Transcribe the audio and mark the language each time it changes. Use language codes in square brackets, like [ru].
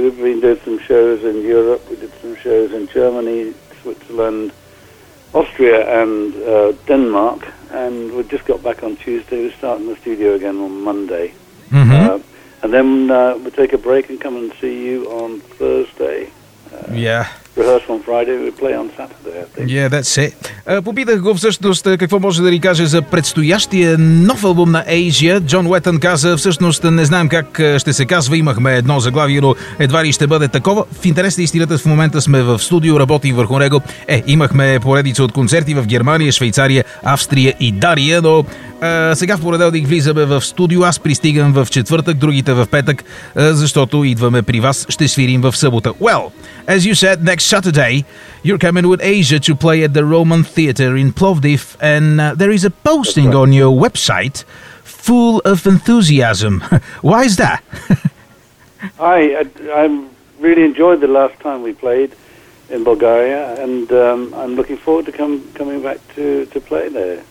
[en] We've been doing some shows in Europe. We did some shows in Germany, Switzerland, Austria, and Denmark, and we just got back on Tuesday. We're starting the studio again on Monday. Mm-hmm. And then we'll take a break and come and see you on Thursday. Yeah. Rehearse on Friday, we play on Saturday, I think. Yeah, that's it. [bg] Попитах го всъщност какво може да ни каже за предстоящия нов албум на Asia. Джон Уетън каза, всъщност не знаем как ще се казва, имахме едно заглавие, но едва ли ще бъде такова. В интерес на истината, в момента сме в студио, работим върху него. Имахме поредица от концерти в Германия, Швейцария, Австрия и Дария, но сега в понеделник влизаме в студио, аз пристигам в четвъртък, другите в петък, защото идваме при вас, ще свирим в събота. [en] Well, as you said, next Saturday you're coming with Asia to play at the Roman Theatre in Plovdiv, and there is a posting on your website full of enthusiasm. Why is that? I really enjoyed the last time we played in Bulgaria, and I'm looking forward to coming back to play there.